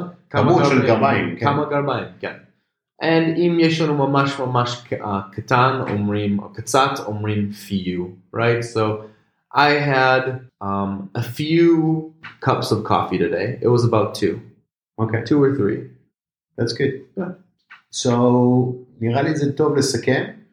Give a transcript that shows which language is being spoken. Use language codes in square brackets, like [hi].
[he] כמות של גרביים. כמה גרביים, כן. And אם יש לנו ממש ממש קטן, אומרים, או קצת, אומרים few, right? [en] So, I had a few cups of coffee today. It was about two. Okay. Two or three. That's good. Yeah. [he] So, נראה לי זה טוב לסכם.